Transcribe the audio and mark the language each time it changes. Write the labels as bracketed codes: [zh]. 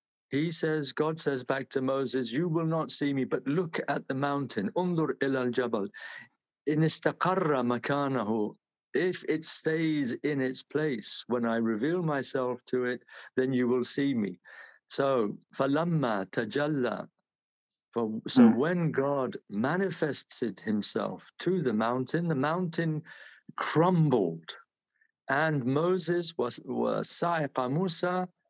[en] He says, God says back to Moses, "You will not see me, but look at the mountain." [ar] انظر إلى الجبل إن استقر مكانه. [en] If it stays in its place when I reveal myself to it, then you will see me. [ar] So فلما تجلى. [en] When God manifested himself to the mountain crumbled, and Moses was Sa'iqa Musa,